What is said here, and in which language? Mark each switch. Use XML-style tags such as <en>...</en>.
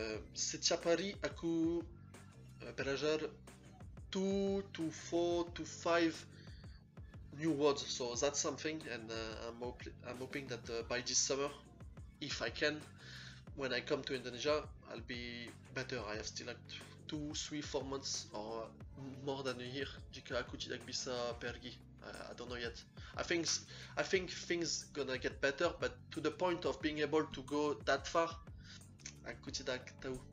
<id>Setiap hari aku belajar 2 to 4 to 5</id> <en>new words. So that's something, and I'm hoping that by this summer, if I can, when I come to Indonesia, I'll be better. I have still like 2, 3, 4 months or more than a year.</en> <id>Jika aku tidak bisa pergi.</id> <en>I don't know yet. I think things gonna get better, but to the point of being able to go that far,</en> <id>aku tidak tahu.</id>